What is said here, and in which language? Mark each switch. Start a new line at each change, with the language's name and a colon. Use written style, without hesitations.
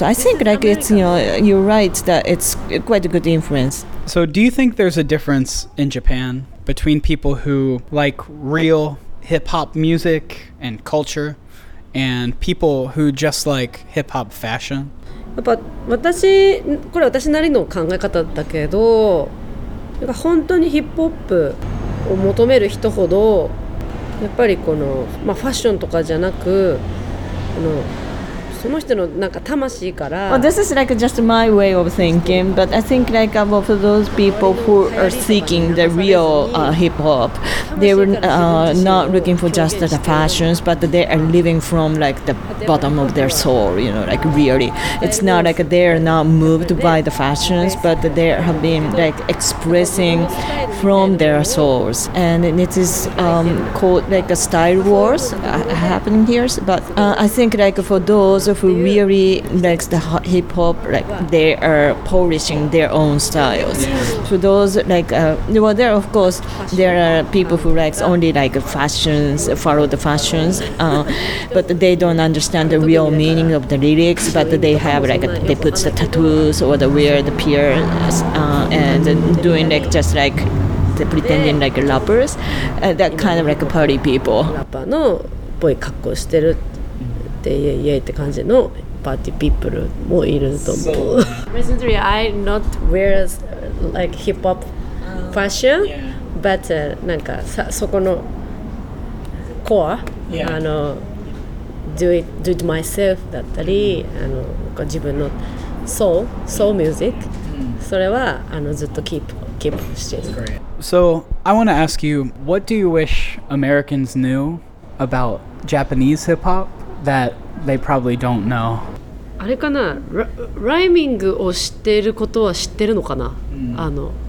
English: So I think like it's, you know, you're right that it's quite a good influence. So do you think there's a difference in Japan? Between people who like real hip-hop music and culture and people who just like hip-hop fashion?
Japanese: やっぱ私、これ私なりの考え方だけど、やっぱ本当にヒップホップを求める人ほど、やっぱりこの、まあ、ファッションとかじゃなく、このその人のなんか魂から
English: Well, this is like just my way of thinking, but I think like well, for those people who are seeking the real hip-hop, they were not looking for just the fashions, but they are living from like the bottom of their soul, you know, like really. It's not like they are not moved by the fashions, but they have been like expressing from their souls. And it is called like a style wars happening here, but I think like for thoseWho really likes the hip hop, like they are polishing their own styles. So those like, well, there of course there are people who likes only like fashions, follow the fashions, but they don't understand the real meaning of the lyrics. But they have like they put the tattoos or the weird piercings and doing like just like pretending like rappers, that kind of like party people.
Japanese: Rapper のっぽい格好してる。って感じのパーティーピープルもいると思う。
English: So, recently, I not wear like hip hop fashion, but
Japanese: なんかそこのコア、あの
English: do it myself
Japanese: だったり、あの自分のソウミュージック、それはあのずっとキープしてる。
English: So I want to ask you, what do you wish Americans knew about Japanese hip hop that they probably don't know?
Japanese: あれかな、ライミングを知ってることは知ってるのかな、あの